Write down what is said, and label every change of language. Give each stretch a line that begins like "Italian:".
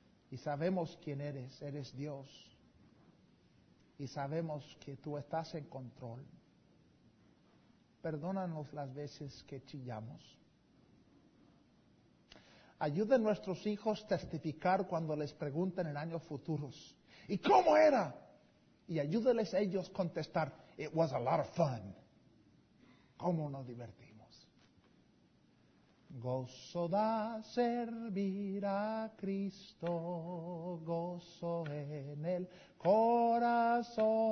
Spanish: Y sabemos quién eres, eres Dios. Y sabemos que tú estás en control. Perdónanos las veces que chillamos. Ayuda a nuestros hijos a testificar cuando les preguntan en años futuros. ¿Y cómo era? Y ayúdales a ellos a contestar,
English: it was a lot of fun.
Spanish: ¿Cómo nos divertimos? Gozo da servir a Cristo, gozo en el corazón.